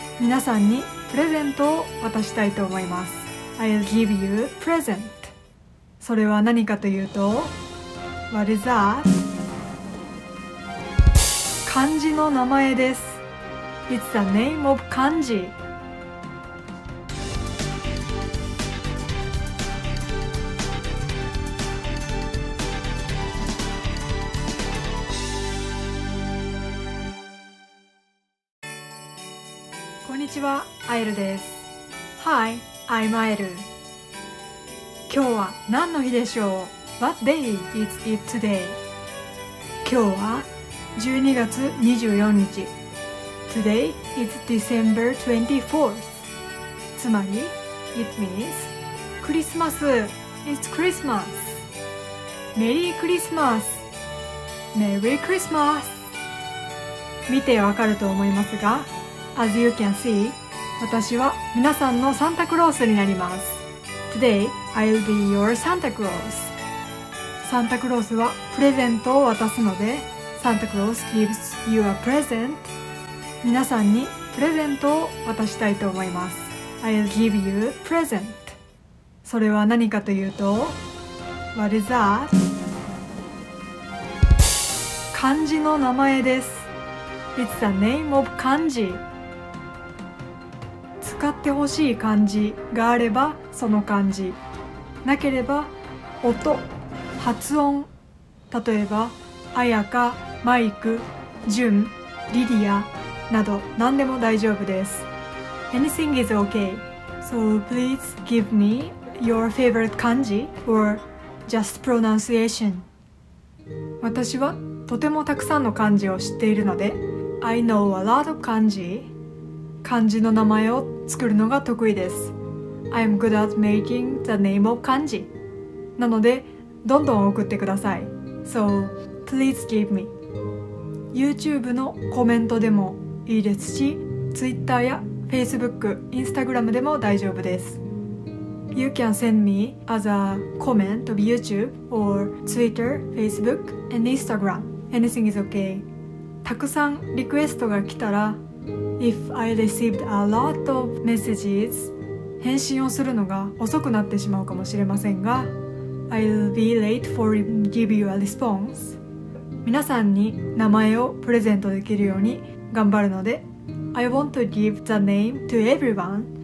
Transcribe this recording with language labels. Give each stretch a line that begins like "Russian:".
Japanese: 皆さんにプレゼントを渡したいと思います。
English: I'll give you a present。
Japanese: それは何かというと、
English: What is that?
Japanese: 漢字の名前です。
English: It's the name of 漢字。
Japanese: こんにちは、アエルです。
English: Hi, I'm アエル。
Japanese: 今日は何の日でしょう？
English: What day is it today?
Japanese: 今日は12月24日。
English: Today is December 24th。 つまり、It means クリスマス。 It's Christmas。 メリークリスマス。 Merry Christmas。
Japanese: 見てわかると思いますが、
English: As you can see,
Japanese: 私は皆さんのサンタクロースになります。
English: Today, I'll be your Santa Claus.
Japanese: サンタクロースはプレゼントを渡すので、
English: Santa Claus gives you a present.
Japanese: 皆さんにプレゼントを渡したいと思います。
English: I'll give you a present.
Japanese: それは何かというと、
English: What is that?
Japanese: 漢字の名前です。
English: It's the name of 漢字。
Japanese: 使ってほしい漢字があれば、その漢字なければ音、発音、例えばあやか、マイク、ジュン、リリアなど何でも大丈夫です。
English: Anything is okay. So please give me your favorite 漢字 or just pronunciation.
Japanese: 私はとてもたくさんの漢字を知っているので、
English: I know a lot of
Japanese: 漢字。漢字の名前を作るのが得意です。
English: I'm good at making the name of 漢字。
Japanese: なのでどんどん送ってください。
English: So please give me。
Japanese: YouTube のコメントでもいいですし、 Twitter や Facebook、Instagram でも大丈夫です。
English: You can send me as a comment of YouTube or Twitter, Facebook and Instagram. Anything is okay.
Japanese: たくさんリクエストが来たら、
English: If I received a lot of messages,
Japanese: 返信をするのが遅くなってしまうかもしれませんが、
English: I'll be late for give you a response.
Japanese: 皆さんに名前をプレゼントできるように頑張るので、
English: I want to give the name to everyone.